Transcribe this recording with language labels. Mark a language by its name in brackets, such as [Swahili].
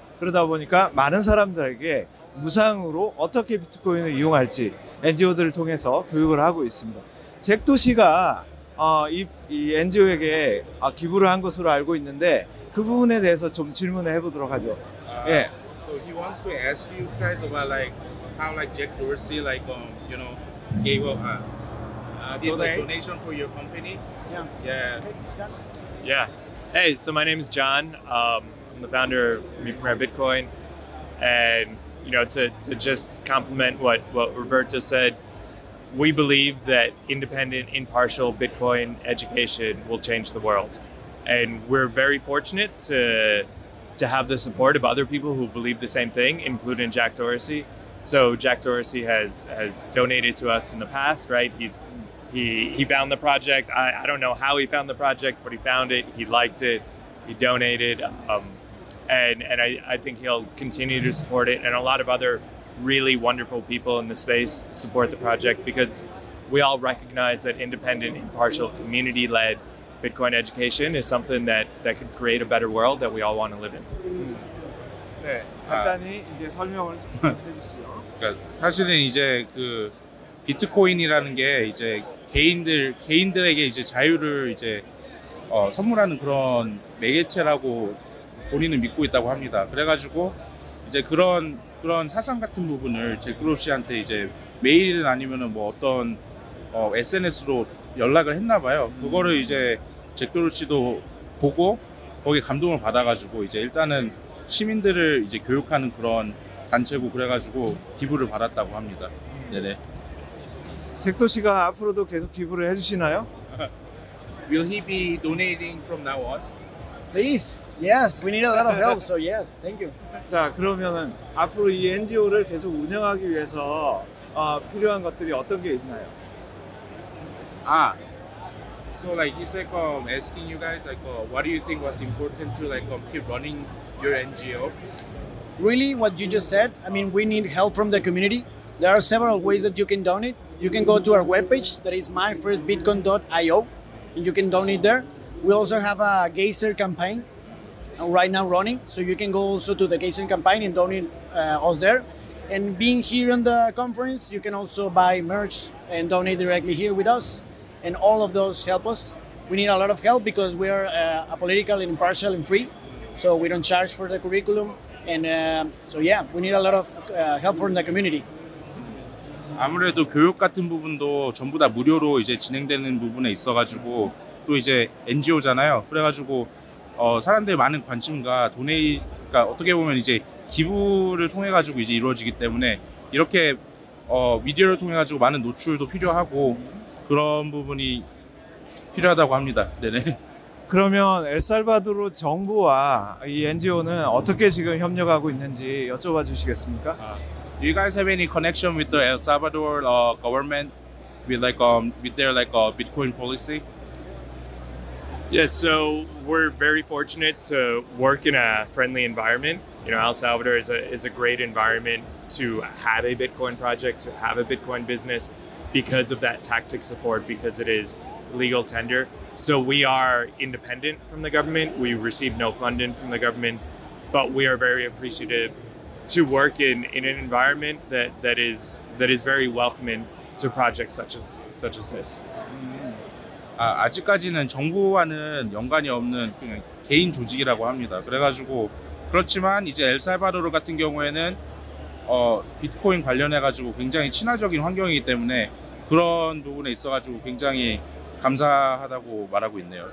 [Korean] 그러다 보니까 많은 사람들에게 무상으로 어떻게 비트코인을 이용할지 NGO들을 통해서 교육을 하고 있습니다. 잭도시가 이 NGO에게 기부를 한 것으로 알고 있는데 그 부분에 대해서 좀 질문을 해보도록 하죠. 예. [English] So he wants to ask you guys about like how like Jack Dorsey like you know gave up donation for your company. Yeah. Okay, yeah. Hey, so my name is John. I'm the founder of Premier Bitcoin, and you know, to just complement what Roberto said, we believe that independent, impartial Bitcoin education will change the world. And we're very fortunate to have the support of other people who believe the same thing, including Jack Dorsey. So Jack Dorsey has donated to us in the past, right? He found the project. I don't know how he found the project, but he found it, he liked it, he donated. And I think he'll continue to support it, and a lot of other really wonderful people in the space support the project, because we all recognize that independent, impartial, community-led Bitcoin education is something that could create a better world that we all want to live in. [Korean] 네, 간단히 이제 설명을 좀 해주시죠. 그러니까 사실은 이제 그 비트코인이라는 게 이제 개인들에게 이제 자유를 이제 선물하는 그런 매개체라고 본인은 믿고 있다고 합니다. 그래가지고 이제 그런 사상 같은 부분을 잭도르시한테 이제 메일이든 아니면은 뭐 어떤 SNS로 연락을 했나봐요. 그거를 이제 잭도르시도 보고 거기에 감동을 받아가지고 이제 일단은 시민들을 이제 교육하는 그런 단체고, 그래가지고 기부를 받았다고 합니다. 네네. 잭도르시가 앞으로도 계속 기부를 해주시나요? [English] Will he be donating from now on? Please, yes, we need a lot of help, so yes, thank you. [Korean] 자, 그러면은 앞으로 이 NGO를 계속 운영하기 위해서 필요한 것들이 어떤 게 있나요? [English] So like he's like asking you guys like what do you think was important to like keep running your NGO? Really, what you just said, I mean, we need help from the community. There are several ways that you can donate. You can go to our webpage, that is myfirstbitcoin.io, and you can donate there. We also have a Gazer campaign right now running, so you can go also to the Gazer campaign and donate us there. And being here in the conference, you can also buy merch and donate directly here with us. And all of those help us. We need a lot of help because we are apolitical, impartial, and free. So we don't charge for the curriculum. And so yeah, we need a lot of help from the community. [Korean] 아무래도 교육 같은 부분도 전부 다 무료로 이제 진행되는 부분에 있어가지고. 또 이제 NGO잖아요. 그래가지고 사람들의 많은 관심과 그러니까 어떻게 보면 이제 기부를 통해가지고 이제 이루어지기 때문에 이렇게 미디어를 통해가지고 많은 노출도 필요하고 그런 부분이 필요하다고 합니다. 네네. 그러면 엘살바도르 정부와 이 NGO는 어떻게 지금 협력하고 있는지 여쭤봐 주시겠습니까? [English] Do you guys have any connection with the El Salvador government with their Bitcoin policy? Yes, so we're very fortunate to work in a friendly environment. You know, El Salvador is a great environment to have a Bitcoin project, to have a Bitcoin business, because of that tactic support, because it is legal tender. So we are independent from the government. We receive no funding from the government, but we are very appreciative to work in an environment that is very welcoming to projects such as this. [Korean] 아, 아직까지는 정부와는 연관이 없는 그냥 개인 조직이라고 합니다. 그래가지고 그렇지만 이제 엘살바도르 같은 경우에는 비트코인 관련해가지고 굉장히 친화적인 환경이기 때문에 그런 부분에 있어가지고 굉장히 감사하다고 말하고 있네요.